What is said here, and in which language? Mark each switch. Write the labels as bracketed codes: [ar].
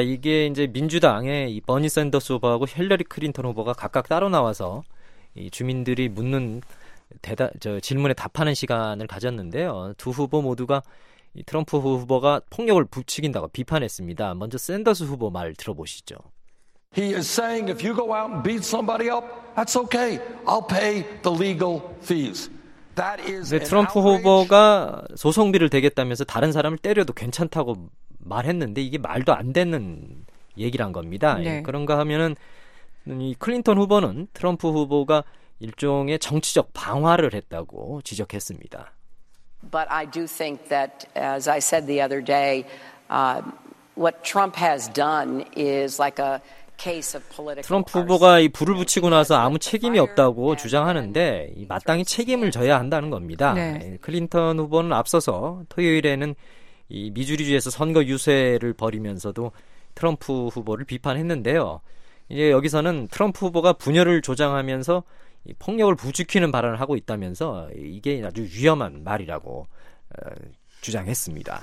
[ko] 이게 이제 민주당의 이 버니 샌더스 후보하고 힐러리 클린턴 후보가 각각 따로 나와서 이 주민들이 묻는 질문에 답하는 시간을 가졌는데요. 두 후보 모두가 이 트럼프 후보가 폭력을 부추긴다고 비판했습니다. 먼저 샌더스 후보 말 들어보시죠. [en] He is saying if you go out and beat somebody up, that's okay. I'll pay the legal fees. That is. [ko] 트럼프 후보가 소송비를 대겠다면서 다른 사람을 때려도 괜찮다고 말했는데 이게 말도 안 되는 얘기란 겁니다. 네. 그런가 하면은 이 클린턴 후보는 트럼프 후보가 일종의 정치적 방화를 했다고 지적했습니다. [en] But I do think that, as I said the other day, what Trump has done is like a case of political. [ko] 트럼프 후보가 이 불을 붙이고 나서 아무 책임이 없다고 주장하는데 마땅히 책임을 져야 한다는 겁니다. 네. 클린턴 후보는 앞서서 토요일에는 이 미주리주에서 선거 유세를 벌이면서도 트럼프 후보를 비판했는데요. 이제 여기서는 트럼프 후보가 분열을 조장하면서 폭력을 부추기는 발언을 하고 있다면서 이게 아주 위험한 말이라고 주장했습니다.